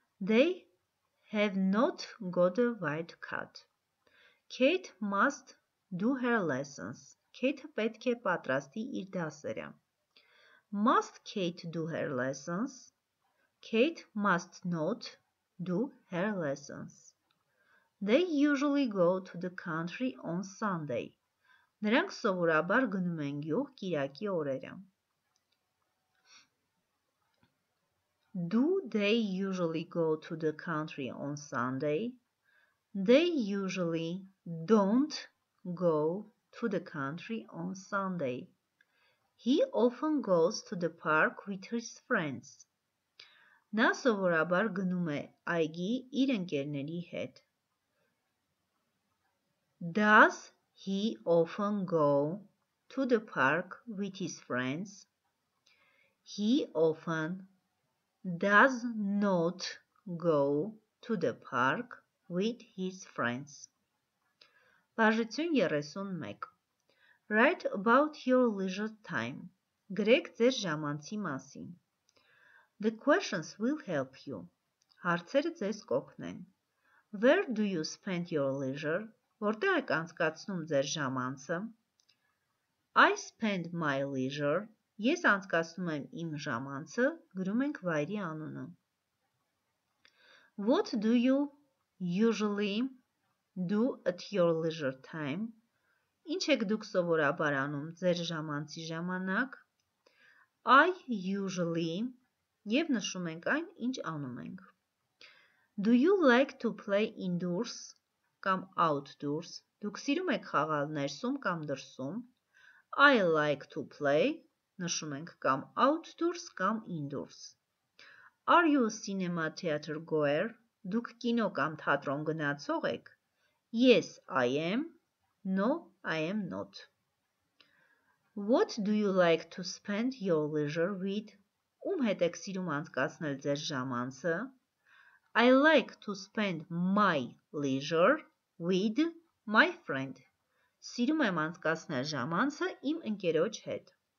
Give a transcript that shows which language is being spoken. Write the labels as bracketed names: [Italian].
[English] They have not got a white cat. Kate must do her lessons. [Armenian] Kate պետք է պատրաստի իր դասերը։ [English] Must Kate do her lessons? Kate must not do her lessons. They usually go to the country on Sunday. [Armenian] Նրանք սովորաբար գնում են գյուղ կիրակի օրերը։ [English] Do they usually go to the country on Sunday? They usually don't go to the country on Sunday. He often goes to the park with his friends. [Armenian] Նա սովորաբար գնում է այգի իր ընկերների հետ. [English] Does he often go to the park with his friends? He often does not go to the park with his friends. Բաժություն 31. Write about your leisure time. [Armenian] Գրեք ձեր ժամանցի մասին. [English] The questions will help you. [Armenian] Հարցերը ձեզ կօգնեն. [English] Where do you spend your leisure? [Armenian] Որտեղ եք անցկացնում ձեր ժամանցը? [English] I spend my leisure. [Armenian] Ես անցկացնում եմ իմ ժամանցը, գրում ենք վայրի անունը. [English] What do you usually do at your leisure time? [Armenian] Ինչ եք դուք սովորաբար անում ձեր ժամանցի ժամանակ? [English] I usually [Armenian] Եվ նշում ենք այն, ինչ անում ենք. [English] Do you like to play indoors [Armenian] կամ outdoors? Դուք սիրում եք խաղալ ներսում կամ դրսում? [English] I like to play [Armenian] նշում ենք կամ outdoors կամ indoors. [English] Are you a cinema theater goer? [Armenian] Դուք կինո կամ թատրոն գնացող եք? [English] Yes, I am. No, I am not. What do you like to spend your leisure with? [Armenian] Ում հետ եք սիրում անցկացնել ձեր ժամանցը? [English] I like to spend my leisure with my friend. [Armenian] Սիրում եմ անցկացնել ժամանցը իմ ընկերոջ հետ.